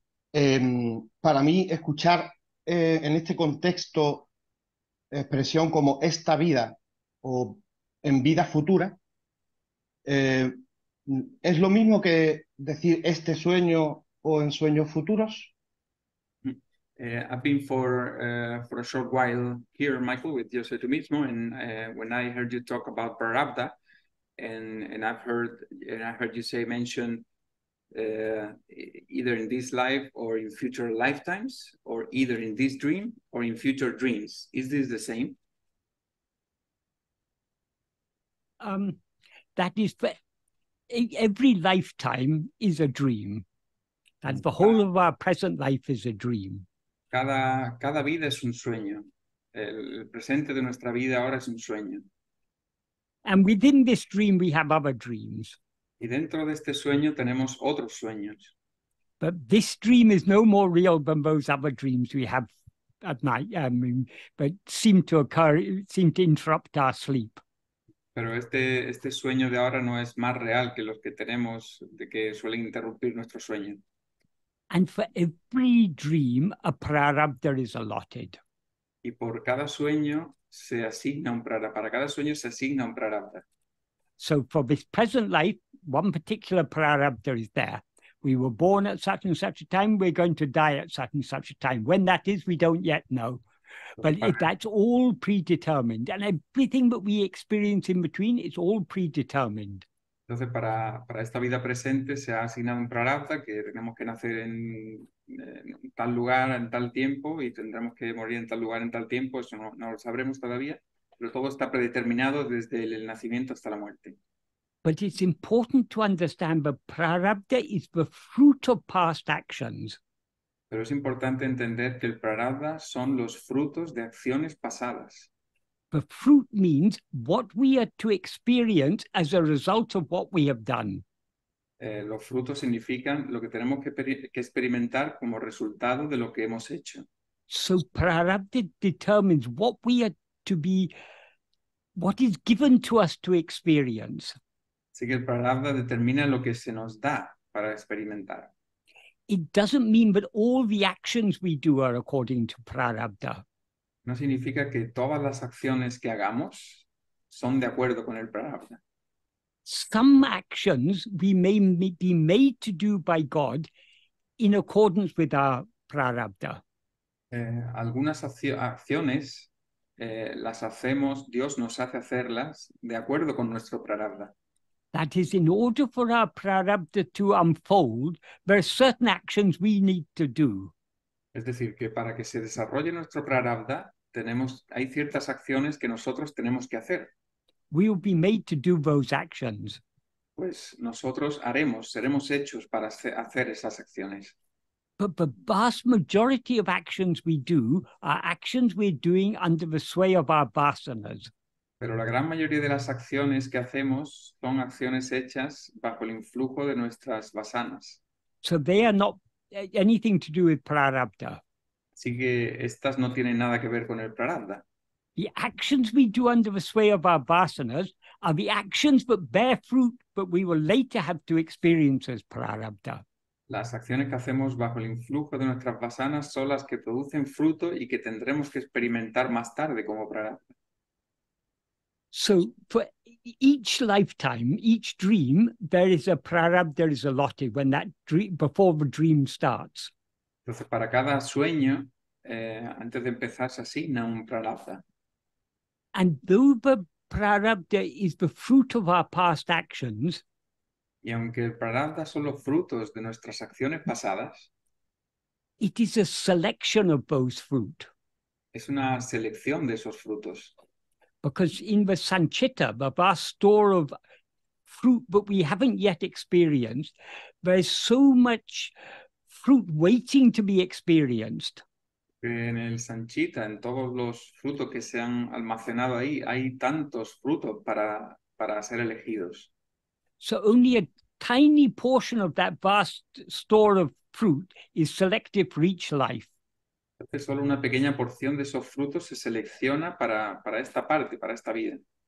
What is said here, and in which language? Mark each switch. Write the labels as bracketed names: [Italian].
[Spanish] Para mí, escuchar en este contexto expresión como esta vida o en vida futura, ¿es lo mismo que decir este sueño o en sueños futuros? [English] I've been for a short while here, Michael, with Yo Soy Tu Mismo, and when I heard you talk about prarabdha, and I heard you say mention either in this life or in future lifetimes, or either in this dream or in future dreams. Is this the same? That is, every lifetime is a dream, and the whole of our present life is a dream. [Spanish] Cada vida es un sueño. El presente de nuestra vida ahora es un sueño. [English] And within this dream we have other dreams. [Spanish] Y dentro de este sueño tenemos otros sueños. [English] But this dream is no more real than those other dreams we have at night, but seem to interrupt our sleep. [Spanish] Pero este sueño de ahora no es más real que los que tenemos, de que suelen interrumpir nuestro sueño. [English] And for every dream, a prarabdha is allotted. [Spanish] Y por cada sueño se asigna un prarabdha. Para cada sueño se asigna un prarabdha. [English] So for this present life, one particular prarabdha is there. We were born at such and such a time, we're going to die at such and such a time. When that is, we don't yet know. But that's all predetermined. And everything that we experience in between is all predetermined. [Spanish] Entonces, para esta vida presente se ha asignado un prarabdha, que tenemos que nacer en tal lugar, en tal tiempo, y tendremos que morir en tal lugar, en tal tiempo. Eso no lo sabremos todavía, pero todo está predeterminado desde el nacimiento hasta la muerte. [English] But it's important to understand that prarabdha is the fruit of past actions. [Spanish] Pero es importante entender que el prarabdha son los frutos de acciones pasadas. [English] The fruit means what we are to experience as a result of what we have done. [Spanish] Los frutos significan lo que tenemos que experimentar como resultado de lo que hemos hecho. [English] So prarabdha determines what we are to be, what is given to us to experience. [Spanish] Así que el prarabdha determina lo que se nos da para experimentar. [English] It doesn't mean that all the actions we do are according to prarabdha. [Spanish] No significa que todas las acciones que hagamos son de acuerdo con el prarabdha. [English] Some actions we may be made to do by God in accordance with our prarabdha. [Spanish] Algunas acciones las hacemos, Dios nos hace hacerlas de acuerdo con nuestro prarabdha. [English] That is, in order for our prarabdha to unfold, there are certain actions we need to do. [Spanish] Es decir, que para que se desarrolle nuestro prarabdha, hay ciertas acciones que nosotros tenemos que hacer. [English] We will be made to do those actions. [Spanish] Pues nosotros seremos hechos para hacer esas acciones. [English] But the vast majority of actions we do are actions we're doing under the sway of our vasanas. [Spanish] Pero la gran mayoría de las acciones que hacemos son acciones hechas bajo el influjo de nuestras vasanas. [English] So they are not anything to do with prarabdha. [Spanish] Así que estas no tienen nada que ver con el prarabdha. [English] The actions we do under the sway of our vasanas are the actions that bear fruit that we will later have to experience as prarabdha. [Spanish] Las acciones que hacemos bajo el influjo de nuestras vasanas son las que producen fruto y que tendremos que experimentar más tarde como prarabdha. [English] So, for each lifetime, each dream, there is a prarabdha is allotted when that dream, before the dream starts. [Spanish] Entonces, para cada sueño, antes de empezar, se asigna un prarabdha. [English] And though the prarabdha is the fruit of our past actions, [Spanish] y aunque el prarabdha son los frutos de nuestras acciones pasadas, [English] it is a selection of those fruit. [Spanish] Es una selección de esos frutos. [English] Because in the sanchitta, the vast store of fruit that we haven't yet experienced, there is so much fruit waiting to be experienced. [Spanish] En el sanchitta, en todos los frutos que se han almacenado ahí, hay tantos frutos para ser elegidos. [English] So only a tiny portion of that vast store of fruit is selected for each life. [Spanish] Entonces, solo una pequeña porción de esos frutos se selecciona para esta parte, para esta vida.